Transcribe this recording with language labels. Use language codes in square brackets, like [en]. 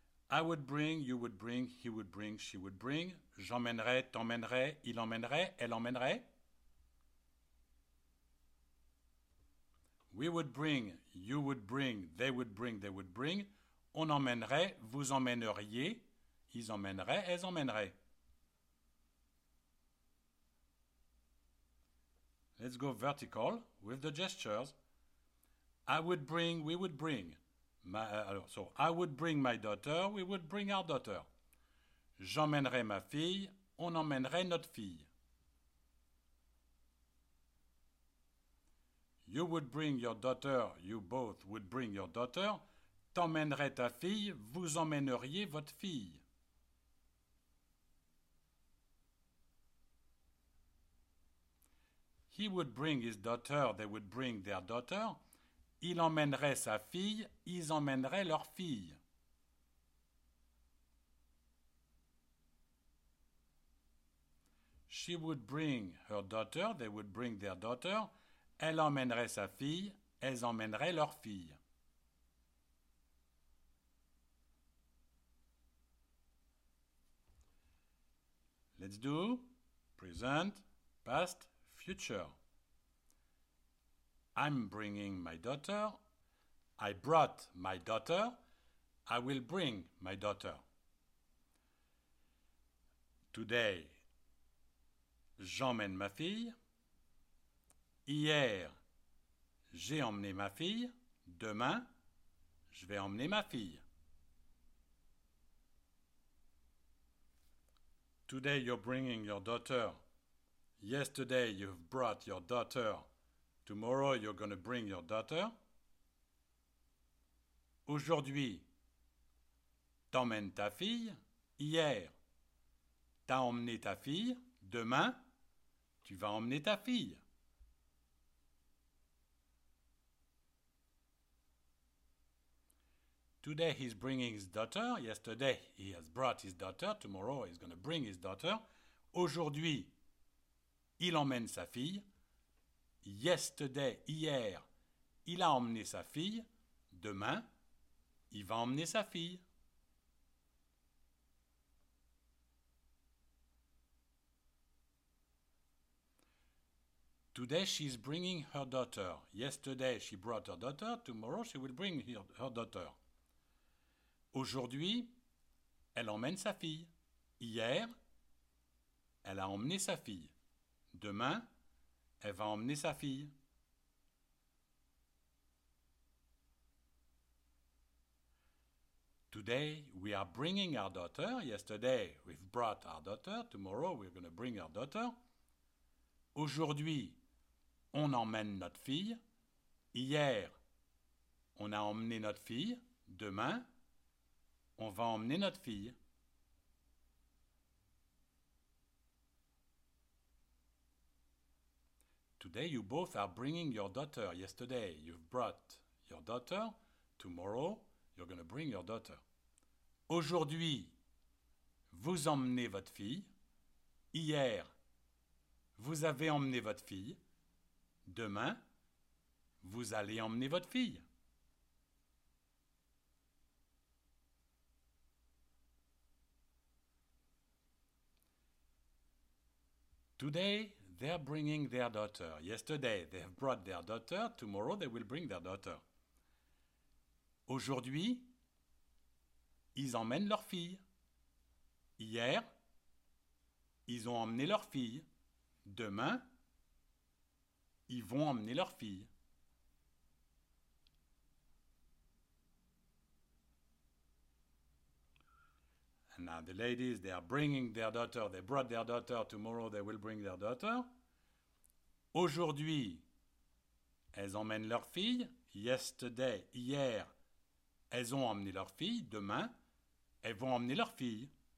[en] I would bring, you would bring, he would bring, she would bring. [fr] J'emmènerai, t'emmènerai, il emmènerait, elle emmènerait. [en] We would bring, you would bring, they would bring, they would bring. [fr] On emmènerait, vous emmèneriez, ils emmèneraient, elles emmèneraient. [en] Let's go vertical with the gestures. I would bring, we would bring. I would bring my daughter, we would bring our daughter. [fr] J'emmènerai ma fille, on emmènerait notre fille. [en] You would bring your daughter, you both would bring your daughter. [fr] T'emmènerais ta fille, vous emmèneriez votre fille. [en] He would bring his daughter, they would bring their daughter. [fr] Il emmènerait sa fille, ils emmèneraient leur fille. [en] She would bring her daughter, they would bring their daughter. [fr] Elle emmènerait sa fille, elles emmèneraient leur fille. [en] Let's do present, past, future. I'm bringing my daughter. I brought my daughter. I will bring my daughter. Today, [fr] j'emmène ma fille. Hier, j'ai emmené ma fille. Demain, je vais emmener ma fille. [en] Today, you're bringing your daughter. Yesterday, you've brought your daughter. Tomorrow, you're going to bring your daughter. [fr] Aujourd'hui, t'emmènes ta fille. Hier, t'as emmené ta fille. Demain, tu vas emmener ta fille. [en] Today, he's bringing his daughter. Yesterday, he has brought his daughter. Tomorrow, he's going to bring his daughter. [fr] Aujourd'hui, il emmène sa fille. [en] Yesterday, [fr] hier, il a emmené sa fille. Demain, il va emmener sa fille. [en] Today, she's bringing her daughter. Yesterday, she brought her daughter. Tomorrow, she will bring her daughter. [fr] Aujourd'hui, elle emmène sa fille. Hier, elle a emmené sa fille. Demain, elle va emmener sa fille. [en] Today, we are bringing our daughter. Yesterday, we've brought our daughter. Tomorrow, we're going to bring our daughter. [fr] Aujourd'hui, on emmène notre fille. Hier, on a emmené notre fille. Demain, on va emmener notre fille. [en] Today, you both are bringing your daughter. Yesterday, you've brought your daughter. Tomorrow, you're going to bring your daughter. [fr] Aujourd'hui, vous emmenez votre fille. Hier, vous avez emmené votre fille. Demain, vous allez emmener votre fille. [en] Today, they are bringing their daughter. Yesterday, they have brought their daughter. Tomorrow, they will bring their daughter. [fr] Aujourd'hui, ils emmènent leur fille. Hier, ils ont emmené leur fille. Demain, vont emmener leur fille. [en] And now the ladies, they are bringing their daughter. They brought their daughter. Tomorrow they will bring their daughter. [fr] Aujourd'hui, elles emmènent leur fille. [en] Yesterday, [fr] hier, elles ont emmené leur fille. Demain, elles vont emmener leur fille.